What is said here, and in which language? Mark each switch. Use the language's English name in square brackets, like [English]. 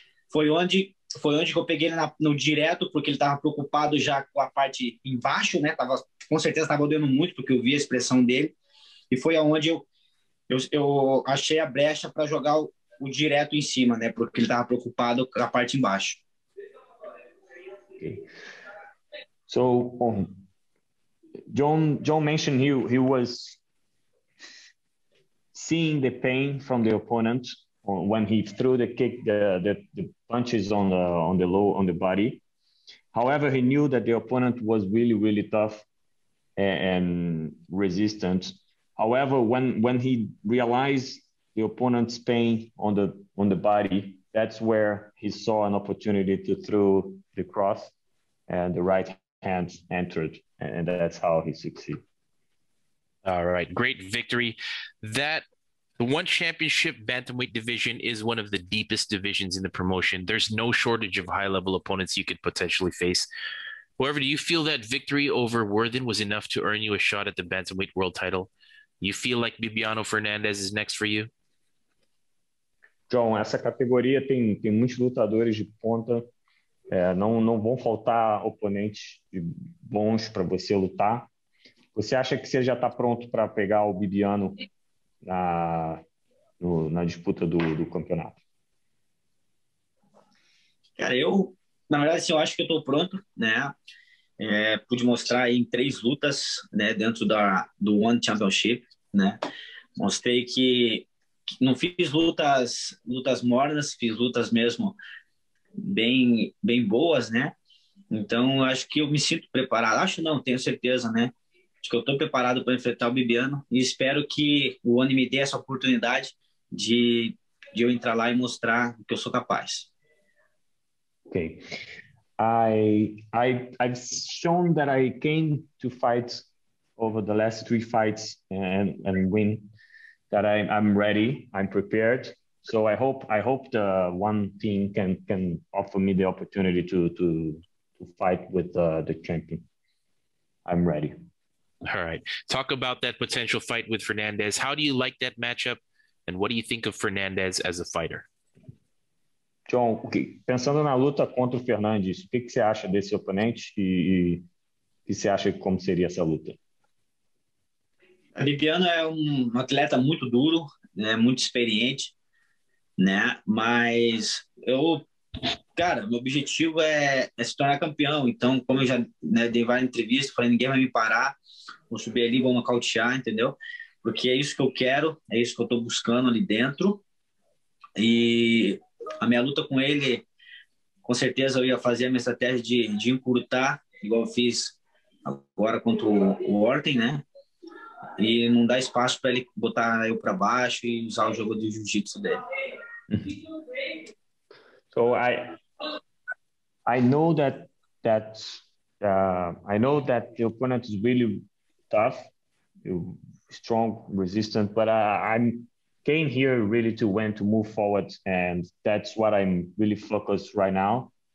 [Portuguese] Foi onde que eu peguei ele no direto, porque ele estava preocupado já com a parte embaixo, né? Tava, com certeza estava doendo muito, porque eu vi a expressão dele, e foi aonde eu achei a brecha para jogar o direto em cima, né? Porque ele estava preocupado com a parte embaixo. [English] Okay. So, John mentioned he was seeing the pain from the opponent when he threw the kick, the punches on the body. However, he knew that the opponent was really, really tough and resistant. However, when he realized the opponent's pain on the body, that's where he saw an opportunity to throw the cross, and the right hand entered, and that's how he succeeded. All right, great victory. That the ONE Championship bantamweight division is one of the deepest divisions in the promotion. There's no shortage of high-level opponents you could potentially face. However, do you feel that victory over Worthen was enough to earn you a shot at the bantamweight world title? You feel like Bibiano Fernandez is next for you? [Portuguese] John, essa categoria tem muitos lutadores de ponta, Não vão faltar oponentes bons para você lutar. Você acha que você já está pronto para pegar o Bibiano na disputa do campeonato? Cara, eu, na verdade, assim, eu acho que eu estou pronto, né? Pude mostrar aí em 3 lutas, né, dentro do One Championship, né? Mostrei que não fiz lutas mornas, fiz lutas mesmo bem, bem boas, né? Então, acho que eu me sinto preparado. Acho não, tenho certeza, né? Acho que eu estou preparado para enfrentar o Bibiano e espero que o One me dê essa oportunidade de eu entrar lá e mostrar que eu sou capaz. [English] Okay, I've shown that I came to fight over the last 3 fights and win, that I'm ready, I'm prepared. So I hope the one team can offer me the opportunity to fight with the champion. I'm ready. All right, talk about that potential fight with Fernandez. How do you like that matchup, and what do you think of Fernandez as a fighter? [Portuguese] John, pensando na luta contra o Fernandes, o que você acha desse oponente e o que você acha como seria essa luta? A Bibiano é um atleta muito duro, né? Muito experiente, né? Mas eu, cara, meu objetivo é se tornar campeão. Então, como eu já, né, dei várias entrevistas, falei, ninguém vai me parar, vou subir ali, vou nocautear, entendeu? Porque é isso que eu quero, é isso que eu tô buscando ali dentro. E a minha luta com ele, com certeza eu ia fazer a minha estratégia de encurtar, igual eu fiz agora contra o Orton, né? E não dar espaço para ele botar eu para baixo e usar o jogo de jiu-jitsu dele. [English] So I know that the opponent is really tough, strong, resistant, but I'm came here really to win, to move forward, and that's what I'm really focused right now.